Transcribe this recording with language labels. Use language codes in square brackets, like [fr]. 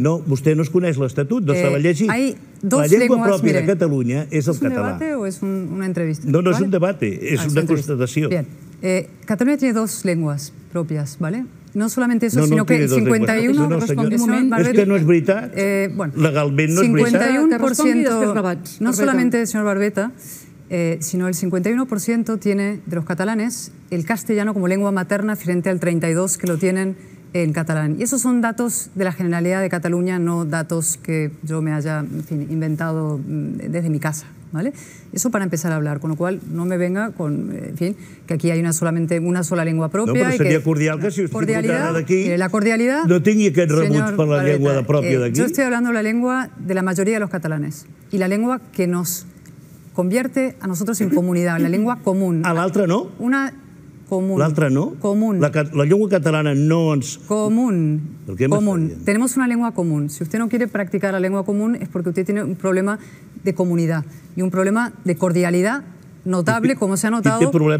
[ca] No, vostè no es coneix l'Estatut, no se la llegi. Hi ha dos llengües, la llengua pròpia de Catalunya és el català. És un debat o és una entrevista? No, no és un debat, és una constatació. Catalunya té dues llengües pròpies, ¿vale? No solament això, sinó que 51... No, senyor, és que no és veritat. Legalment no és veritat. [es] 51%, [ca] no solament, senyor Barbeta, sinó el [es] 51% tiene de los catalanes el castellano como lengua materna frente al 32% que lo tienen en catalán. Y esos son datos de la Generalidad de Cataluña, no datos que yo me haya, en fin, inventado desde mi casa, ¿vale? Eso para empezar a hablar, con lo cual no me venga con, en fin, que aquí hay una sola lengua propia. No, pero sería cordial que si usted se encontrara d'aquí... La cordialidad... [ca] No tingui aquest rebuig per la llengua pròpia d'aquí. [es] Yo estoy hablando la lengua de la mayoría de los catalanes y la lengua que nos convierte a nosotros en comunidad, la lengua común. [ca] A l'altra no? [es] Una común. [ca] L'altra no? [es] Común. [ca] La llengua catalana no ens... [es] Común. Común. Tenemos una lengua común. Si usted no quiere practicar la lengua común es porque usted tiene un problema de comunidad y un problema de cordialidad notable, como se ha notado en sus preguntas.